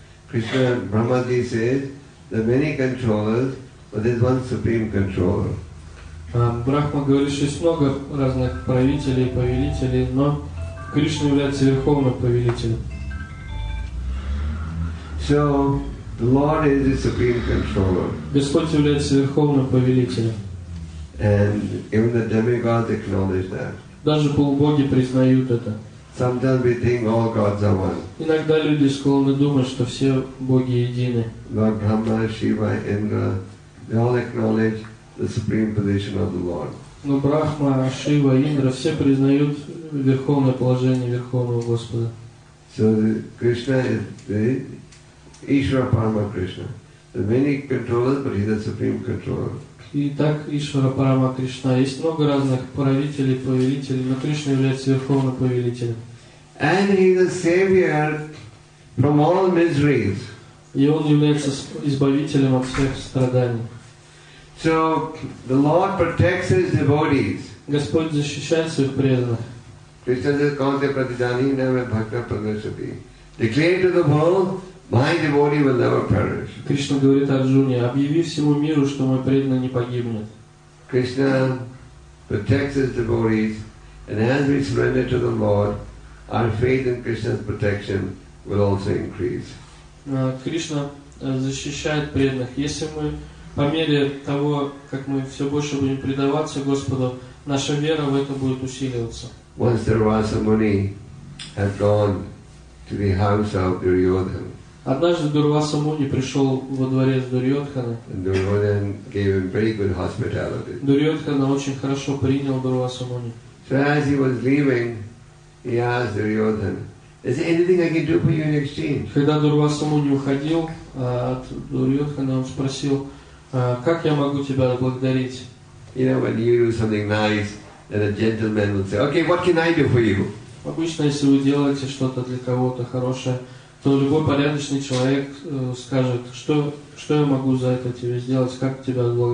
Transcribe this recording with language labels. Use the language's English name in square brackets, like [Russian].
[English] Кришна Брахмаджи says, there are many controllers, but there is one supreme controller. [Russian] Брахма говорит, что есть много разных правителей и повелителей, но Кришна является верховным повелителем. [English] So, the Lord is the supreme controller. [Russian] Господь является верховным повелителем. [English] And even the demigods acknowledge that. [Russian] Даже полубоги признают это. [English] Sometimes we think all gods are one. [Russian] Иногда люди склонны думать, что все боги едины. [English] Lord Brahma, Shiva, Indra, they all acknowledge the supreme position of the Lord. [Russian] Но Брахма, Шива, Индра все признают верховное положение Верховного Господа. [English] So Krishna is the Ishvara Parama Krishna. There are many controllers, but he's the supreme controller. [Russian] И так Ишвара Парама Кришна. Есть много разных правителей, повелителей, но Кришна является верховным повелителем. [English] And he is the savior from all miseries. [Russian] И он является избавителем от всех страданий. [English] So the Lord protects his devotees. [Russian] Господь защищает своих преданных. [English] Krishna says, [Sanskrit] "Kaunte pratidani neve bhakta pradeshapi." [English] Declare to the world. My devotee will never perish. [Russian] Кришна говорит Арджуне, объяви всему миру, что мой преданный не погибнет. [English] Krishna protects his devotees, and as we surrender to the Lord, our faith in Krishna's protection will also increase. [Russian] Кришна защищает преданных. Если мы по мере того, как мы все больше будем предаваться Господу, наша вера в это будет усиливаться. [English] Once the Rasa Muni had gone to the house of Duryodhana. [Russian] Однажды Дурваса Муни пришел во дворец Дурьотхана. [English] Duryodhana gave him very good hospitality. [Russian] Дурьотхана очень хорошо принял Дурваса Муни. [English] So as he was leaving, he asked Duryodhana, "Is there anything I can do for you in exchange?" [Russian] Когда Дурваса Муни уходил от Дурьотхана, он спросил, "Как я могу тебя отблагодарить?" [English] You know, when you do something nice, then a gentleman will say, "Okay, what can I do for you?" [Russian] Обычно, если вы делаете что-то для кого-то хорошее, то любой порядочный человек скажет, что я могу за это тебе сделать, как тебя